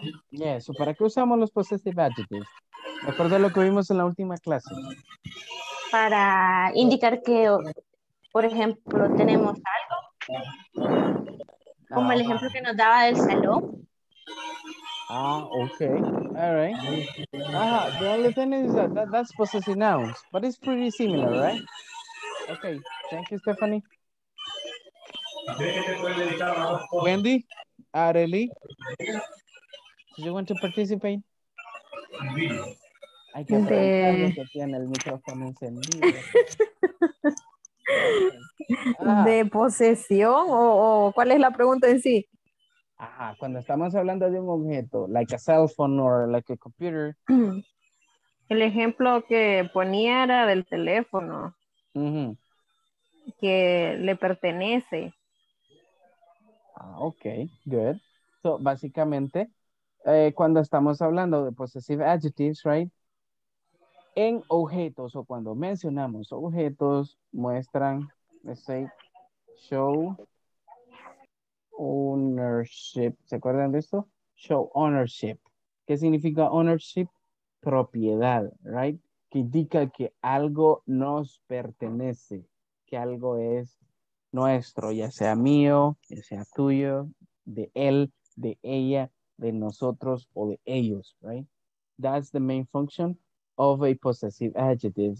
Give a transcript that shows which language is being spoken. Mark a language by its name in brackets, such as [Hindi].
[Spanish] Yes, ¿para qué usamos los [English] possessive adjectives? [Spanish] ¿De acuerdo a lo que vimos en la última clase? Para indicar que, por ejemplo, tenemos algo. Como el ejemplo que nos daba del salón. [English] Ah, okay. All right. The only thing is that's possessive nouns, but it's pretty similar, right? Okay. Thank you, Stephanie. Wendy, Areli, do you want to participate? I can't tell you that you have the [Spanish] ¿De posesión o cuál es la pregunta en sí? Ajá, cuando estamos hablando de un objeto, [English] like a cell phone or like a computer. [Spanish] El ejemplo que ponía era del teléfono. Mm-hmm. Que le pertenece. [English] Ah, ok, good. So, [Spanish] básicamente, cuando estamos hablando de [English] possessive adjectives, right? [Spanish] En objetos o cuando mencionamos objetos, muestran, [English] let's say, show ownership. [Spanish] ¿Se acuerdan de esto? [English] Show ownership. [Spanish] ¿Qué significa [English] ownership? [Spanish] Propiedad, [English] right? [Spanish] Que indica que algo nos pertenece, que algo es nuestro, ya sea mío, ya sea tuyo, de él, de ella, de nosotros o de ellos, [English] right? That's the main function of a possessive adjective.